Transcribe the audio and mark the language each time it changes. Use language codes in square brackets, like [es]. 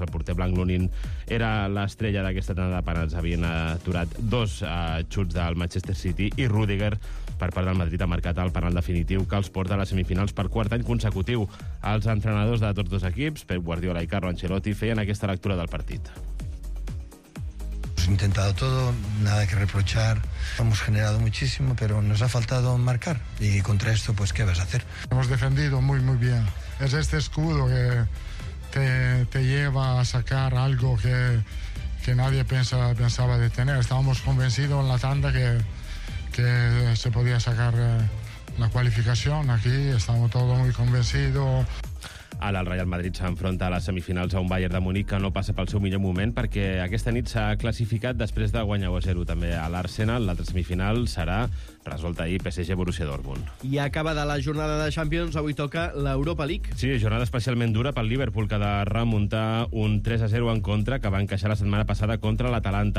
[ca] El porter blanc, Lunin, era l'estrella d'aquesta tanda de penals. Havien aturat 2 xuts del Manchester City i Rüdiger, per part del Madrid, ha marcat el penal definitiu que els porta a les semifinals per quart any consecutiu. Els entrenadors de tots dos equips, Pep Guardiola i Carlo Ancelotti, feien aquesta lectura del partit. [es] Hemos intentado todo, nada que reprochar. Hemos generado muchísimo, pero nos ha faltado marcar. Y contra esto, pues, ¿qué vas a hacer? Hemos defendido muy, muy bien. Es este escudo que te lleva a sacar algo que nadie pensaba de tener. Estábamos convencidos en la tanda que se podía sacar la cualificación aquí. Estamos todos muy convencidos. [ca] Ara el Real Madrid s'enfronta a les semifinals a un Bayern de Múnich que no passa pel seu millor moment, perquè aquesta nit s'ha classificat després de guanyar 1-0 també a l'Arsenal. L'altra semifinal serà resolta ahir PSG Borussia Dortmund. I acabada la jornada de Champions, avui toca l'Europa League. Sí, jornada especialment dura pel Liverpool, que ha de remuntar un 3-0 en contra, que va encaixar la setmana passada contra l'Atalanta.